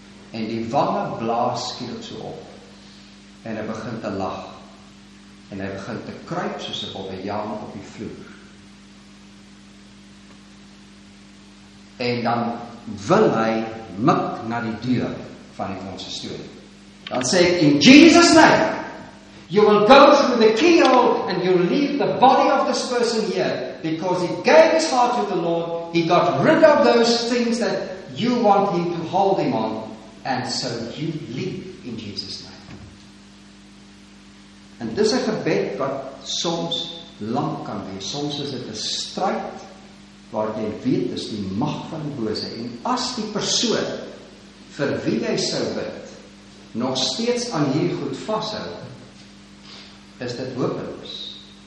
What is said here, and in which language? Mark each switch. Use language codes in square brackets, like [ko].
[af] En die wange blaas skielik so op. En hy begin te lag, en hy begin te kruip, soos hy op die jaan op die vloer, en dan wil hy mik na die deur van die onse stoel. Dan sê ek, [en] in Jesus name, you will go through the keyhole and you will leave the body of this person here because he gave his heart to the Lord, he got rid of those things that you want him to hold him on, and so you leave in Jesus name. [af] En dis 'n gebed wat soms lank kan wees. Soms is dit 'n stryd waar jy weet is die mag van die bose. En as die persoon vir wie jy sou bid nog steeds aan hierdie goed vashou, is dit hopeloos.